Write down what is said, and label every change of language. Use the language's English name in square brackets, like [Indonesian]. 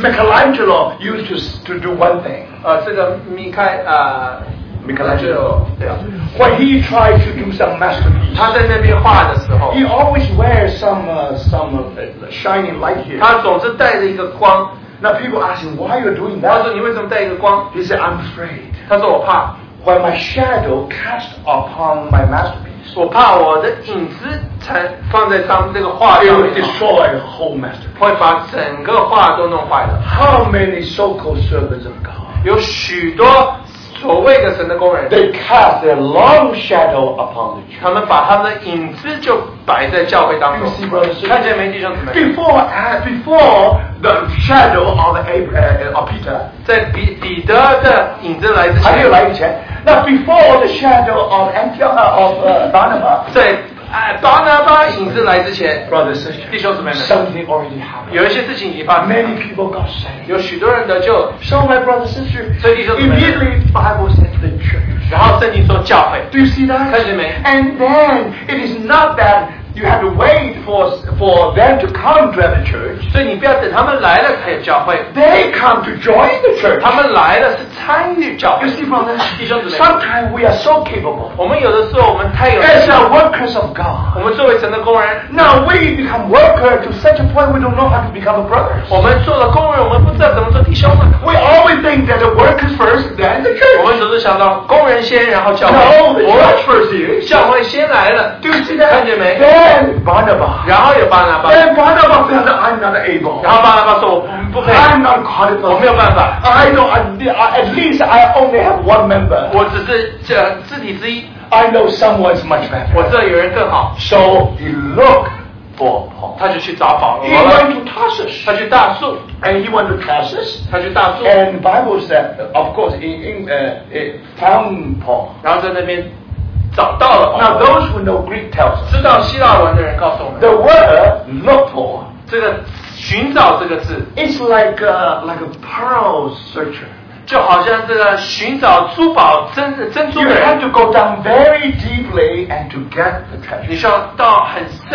[English] Michelangelo used to do one thing. [Chinese] 这个米开朗基罗, [English] when he tried to do some masterpiece, [Chinese] 他在那边画的时候, [English] he always wears some shining light here. [Chinese] 他总是带着一个光, [English] now people ask him, why are you doing that? [Chinese] 他说你为什么带一个光? [English] He said, I'm afraid. [Chinese] 他说我怕, [English] when my shadow cast upon my masterpiece, [Chinese] 我怕我的影子放在上这个画上, [English] it will destroy a whole masterpiece. [Chinese] 会把整个画都弄坏了. [English] How many so-called servants of God? [Chinese] 有许多所谓的神的工人, [English] they cast their long shadow upon the church. [Chinese] 他们把他们的影子就摆在教会当中. [English] You see, brothers, [Chinese] 看见没, 弟兄姊妹? [English] Before the shadow of Peter, [Chinese] 在彼得的影子来之前, 还有来以前, [English] now before the shadow of Antioch of Barnabas, [Chinese] 在巴拿巴影子来之前, [English] brothers and sisters, [Chinese] 弟兄姊妹们, [English] something already happened. [Chinese] 有一些事情已发生, [English] many people got saved. [Chinese] 有许多人得救. [English] So my brothers and sisters, [Chinese] 所以弟兄姊妹们, [English] immediately Bible said the church. [Chinese] 然后圣经说教会. [English] Do you see that? [Chinese] 看见没? [English] And then it is not that you have to wait for them to come to the church. [Chinese] 所以你不要等他们来了才有教会. [English] They come to join the church. [Chinese] 他们来了是参与教会. [English] You see, brothers, [Chinese] 弟兄姊妹, [English] sometimes we are so capable. [Chinese] 我们有的时候我们太有力量. [English] As our workers of God. [Chinese] 我们作为神的工人. [English] Now we become workers to such a point we don't know how to become a brother. [Chinese] 我们做了工人，我们不知道怎么做弟兄们. [English] We always think that the workers first, then the church. [Chinese] 我们总是想到工人先，然后教会. [English] No, the church first is. [Chinese] 教会先来了. [English] Do you see that? [Chinese] 看见没? [English] Then Barnabas. [Chinese] 然后有巴拿巴. [English] Then Barnabas said, I'm not able. [Chinese] 然后巴拿巴说，我们不配. [English] I'm not qualified. [Chinese] 我没有办法. [English] I know, at least I only have one member. [Chinese] 我只是肢体之一. [English] I know someone's much better. [Chinese] 我知道有人更好. [English] So he looked. He went to Tarsus. [Chinese] 他去大宿, [English] and he went to Tarsus. [Chinese] 他去大宿, [English] and the Bible said, of course, in found Paul. [Chinese] 然后在那边找到了, [English] now those who know Greek tells us. [Chinese] 知道希腊文的人告诉我们, [English] the word look for. [Chinese] 这个寻找这个字, [English] it's like a pearl searcher. [Chinese] 就好像这个寻找珠宝珍珠人, [English] you have to go down very deeply and to get the treasure.